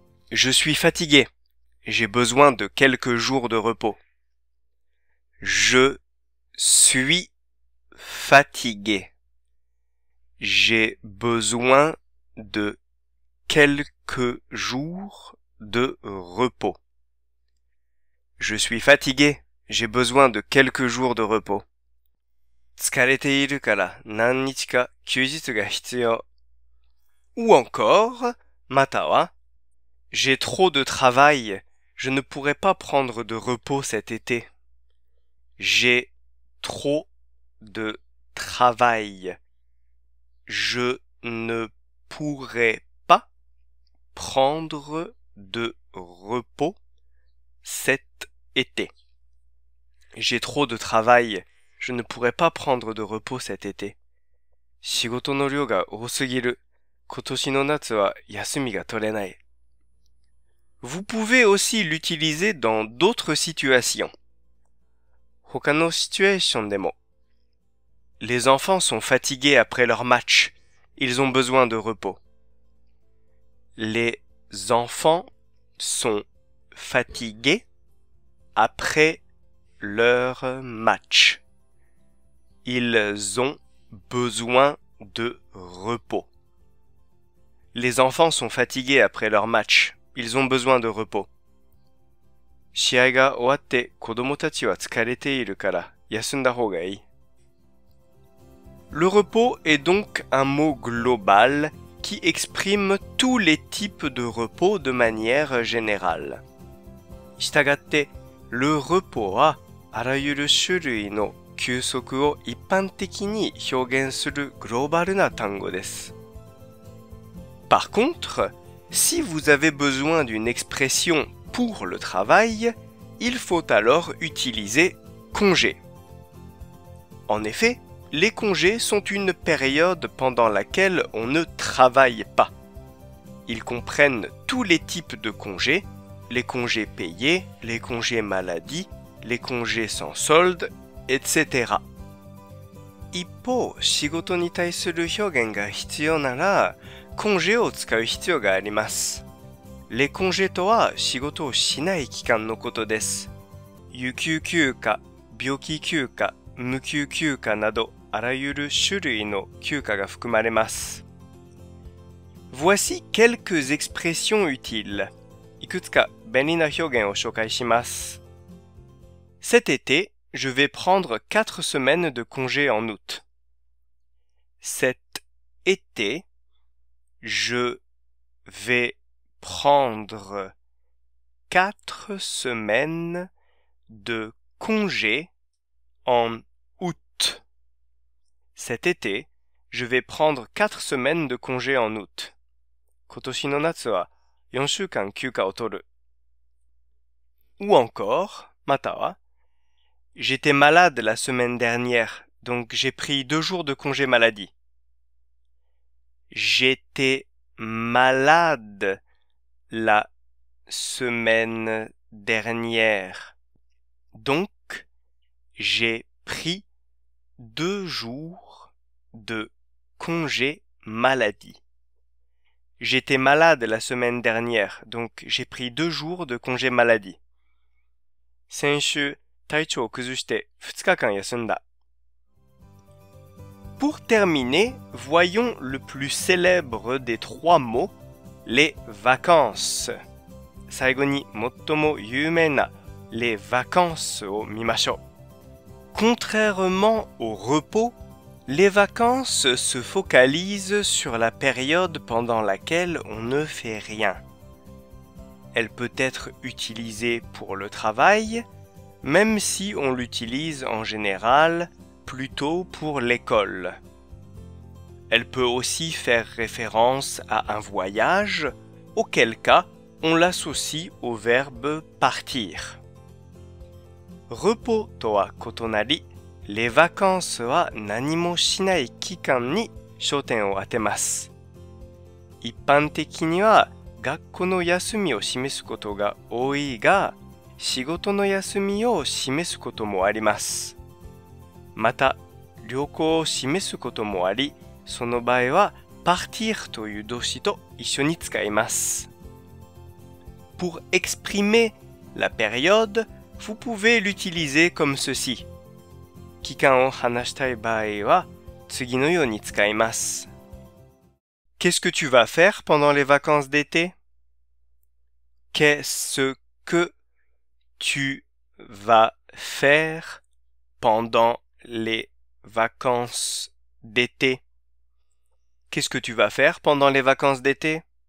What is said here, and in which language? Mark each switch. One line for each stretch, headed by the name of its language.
French: Je suis fatigué. J'ai besoin de quelques jours de repos. Je suis fatigué. J'ai besoin de quelques jours de repos. Je suis fatigué. J'ai besoin de quelques jours de repos.
Japanese: 疲れているから何日か休日が必要。
French: Ou encore,
Japanese: または、
French: J'ai trop de travail. Je ne pourrai pas prendre de repos cet été. J'ai trop de travail. Je ne pourrai pas prendre de repos cet été. J'ai trop de travail. Je ne pourrai pas prendre de repos cet été.
Japanese: 仕事の量が多すぎる。今年の夏は休みが取れない。
French: Vous pouvez aussi l'utiliser dans d'autres situations.
Japanese: 他のシチュエーションでも。
French: Les enfants sont fatigués après leur match. Ils ont besoin de repos. Les enfants sont fatigué après leur match. Ils ont besoin de repos. Les enfants sont fatigués après leur match. Ils ont besoin de repos.
Japanese: 試合が終わって子供たちは疲れているから休んだ方がいい。
French: Le repos est donc un mot global qui exprime tous les types de repos de manière générale.
Japanese: したがって、le repos はあらゆる種類の休息を一般的に表現するグローバルな単語です。
French: Par contre, si vous avez besoin d'une expression pour le travail, il faut alors utiliser congé. En effet,Les congés sont une période pendant laquelle on ne travaille pas. Ils comprennent tous les types de congés, les congés payés, les congés maladie, les congés sans solde, etc.
Japanese: 一方、仕事に対する表現が必要なら、コンジェを使う必要があります。 Les congés とは仕事をしない期間のことです。有給休暇、病気休暇、無給休暇など、あらゆる種類の休暇が含まれます。
French: Voici quelques expressions utiles.
Japanese: いくつか便利な表現を紹介します。
French: Cet été, je vais prendre 4 semaines de congé en août. Cet été, je vais prendre 4 semaines de congé en août. Cet été, je vais prendre 4 semaines de congé en août.
Japanese: 今年の夏は4週間休暇を取る。
French: Ou encore,
Japanese: または、
French: J'étais malade la semaine dernière, donc j'ai pris 2 jours de congé maladie. J'étais malade la semaine dernière, donc j'ai pris 2 jours de congé maladie. J'étais malade la semaine dernière, donc j'ai pris 2 jours de congé maladie.
Japanese: 先週、体調を崩して2日間休んだ。
French: Pour terminer, voyons le plus célèbre des 3 mots, les vacances.
Japanese: 最後に最も有名な les vacances を見ましょう。
French: Contrairement au repos, les vacances se focalisent sur la période pendant laquelle on ne fait rien. Elle peut être utilisée pour le travail, même si on l'utilise en général plutôt pour l'école. Elle peut aussi faire référence à un voyage, auquel cas on l'associe au verbe partir.
Japanese: Repos とは異なり、les vacances は何もしない期間に焦点を当てます。一般的には学校の休みを示すことが多いが、仕事の休みを示すこともあります。また、旅行を示すこともあり、その場合は partir という動詞と一緒に使います。
French: Pour exprimer la période,Vous pouvez l'utiliser comme ceci.
Japanese: 期間を話したい場合は次のように使います。
French: Qu'est-ce que tu vas faire pendant les vacances d'été? Qu'est-ce que tu vas faire pendant les vacances d'été? Qu'est-ce que tu vas faire pendant les vacances d'été?